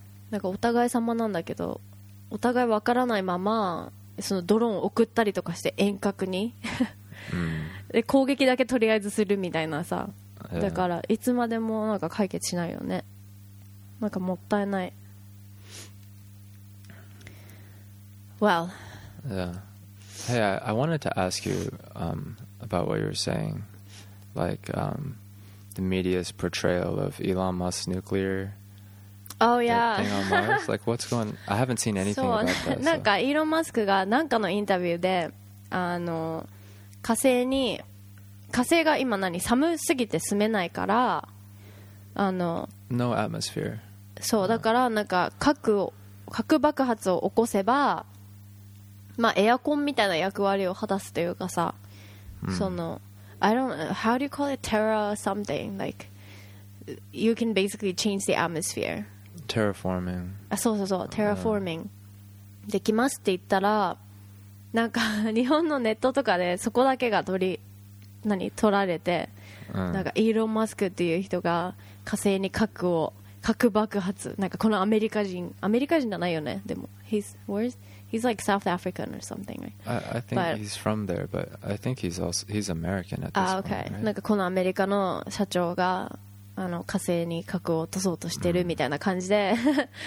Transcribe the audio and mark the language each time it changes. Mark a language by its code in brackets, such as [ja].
[ja] なんかお互い様なんだけどお互い分からないままそのドローンを送ったりとかして遠隔に、mm. で攻撃だけとりあえずするみたいなさ、 [en] yeah. [ja] だからいつまでもなんか解決しないよねなんかもったいない。 [en] Well. Yeah. Hey, I wanted to ask you、about what you were saying, like、the media's portrayal of Elon Musk's nuclear. Oh yeah. Thing on Mars. Like, what's going? I haven't seen anything about that. So. [ja] なんかイーロンマスクがなんかのインタビューで、火星に火星が今何寒すぎて住めないから、 [en] No atmosphere. [ja] そうだからなんか核爆発を起こせば、まあ、エアコンみたいな役割を果たすというかさ、その、 [en] I don't know, how do you call it terror something? Like, you can basically change the atmosphere. Terraforming. [ja] あそうそうそう、terraforming. できますって言ったら、なんか日本のネットとかでそこだけが取られて、なんかイーロン・マスクっていう人が火星に核を核爆発なんかこのアメリカ人じゃないよねでも [en] he's like South African or something、right? I think but, he's from there but I think he's American at this point、 okay. right? [ja] なんかこのアメリカの社長が火星に核を落とそうとしてるみたいな感じで、mm-hmm.